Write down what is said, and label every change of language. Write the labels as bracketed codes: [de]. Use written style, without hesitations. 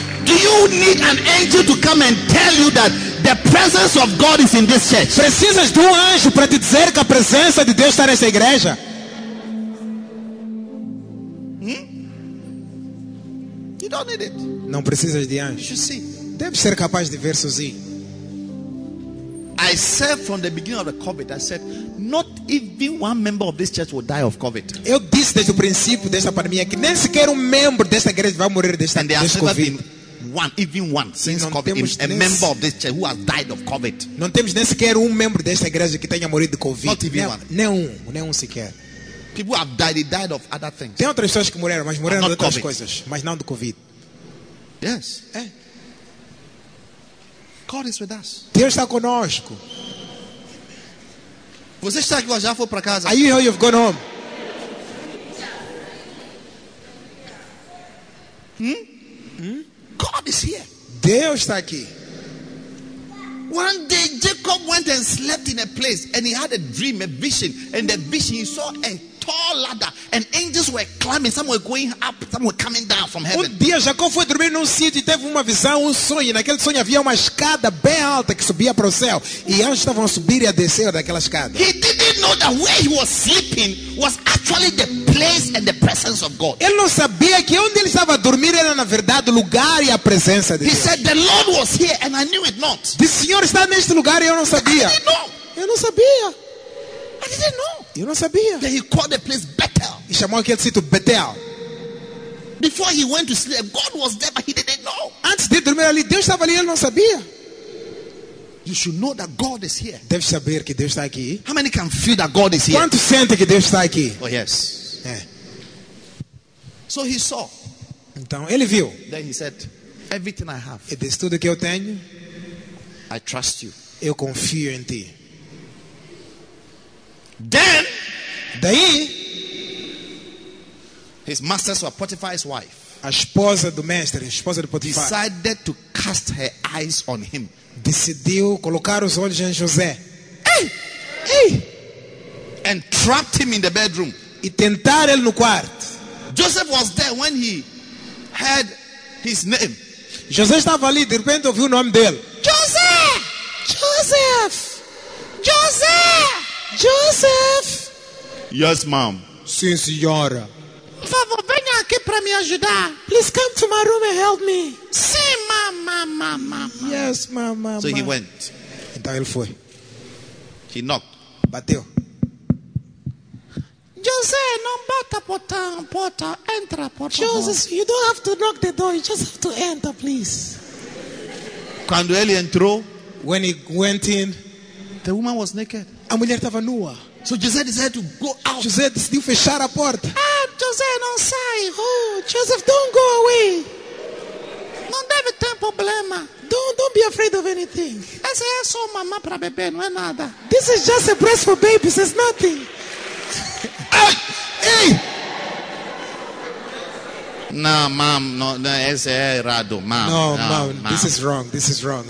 [en] Do you need an angel to come and tell you that the presence of God is in this church? [pt] Precisas de anjo para te dizer que a presença de Deus está nessa igreja? [en] You don't need it. [pt] Não precisas de anjo. [en] You should see. [pt] Deve ser capaz de ver sozinho. [en] I said from the beginning of the COVID, I said, not even one member of this church will die of COVID. [pt] Eu disse desde o princípio desta pandemia que nem sequer membro desta igreja vai morrer desta [en] and [pt] desta COVID. [en] One, even one, since COVID, a member of this church who has died of COVID. [pt] Não temos nem sequer membro desta igreja que tenha morrido de COVID. [en] Not even one. [pt] Nenhum sequer. [en] People have died. They died of other things. [pt] Tem outras pessoas que morreram, mas morreram de outras COVID. Coisas, mas não de COVID. [en] Yes. [pt] É. [en] God is with us. [pt] Deus está conosco. Você está aqui, já foi para casa? [en] Are you here? You've gone home. God is here. [pt] Deus está aqui. [en] One day Jacob went and slept in a place, and he had a dream, a vision, and the vision he saw a tall ladder, and angels were climbing, some were going up, some were coming down from heaven. [pt] Um dia Jacob foi dormir num sítio e teve uma visão, um sonho. Naquele sonho havia uma escada bem alta que subia para o céu, e anjos estavam a subir e a descer daquela escada. [en] He didn't know that where he was sleeping was actually the place and the presence of God. [pt] Ele não sabia que onde ele estava a dormir era na verdade o lugar e a presença de Deus. [en] He said the Lord was here and I knew it not. [pt] O Senhor está neste lugar e eu não sabia. [en] I didn't know. [pt] Eu não sabia. [en] I didn't know. [pt] Eu não sabia. [en] Then he called the place Bethel. [pt] E chamou aquele sítio Bethel. [en] Before he went to sleep, God was there, but he didn't know. [pt] Antes de dormir ali, Deus estava ali, ele não sabia. [en] You should know that God is here. [pt] Deve saber que Deus está aqui. [en] How many can feel that God is here? [pt] Quanto sente que Deus está aqui? [en] Oh yes. [pt] É. [en] So he saw. [pt] Então ele viu. [en] Then he said, everything I have. [pt] E disse tudo que eu tenho. [en] I trust you. [pt] Eu confio em ti. [en] Then, [pt] daí, [en] his master saw Potiphar's wife. [pt] A esposa do mestre, a esposa de Potifar. [en] Decided to cast her eyes on him. [pt] Decidiu colocar os olhos em José. [en] Hey! And trapped him in the bedroom. [pt] E tentar ele no quarto. [en] Joseph was there when he heard his name. [pt] José estava ali, de repente ouviu o nome dele. [en] Joseph! Joseph! Joseph! Joseph! Yes, ma'am. [pt] Sim, senhora. Por favor, venha aqui para me ajudar. [en] Please come to my room and help me. [pt] Sim, ma'am. [en] Yes, ma'am. So he went. [pt] Então ele foi. [en] He knocked. [pt] Bateu. José, não bata portão, porta. Entra, por favor. [en] Joseph, you don't have to knock the door. You just have to enter, please. [pt] Quando ele entrou, [en] when he went in, the woman was naked. [pt] A mulher estava nua. [en] So José decided to go out. [pt] José decidiu fechar a porta. Ah, José, não sai. [en] Oh, Joseph, don't go away. [pt] Não deve ter problema. [en] Don't be afraid of anything. [pt] Essa é só mamá para bebê, não é nada. [en] This is just a breast for babies, it's nothing. Hey! [pt] Não, ma'am, no, esse é errado, ma'am. [en] No, ma'am, this is wrong, this is wrong.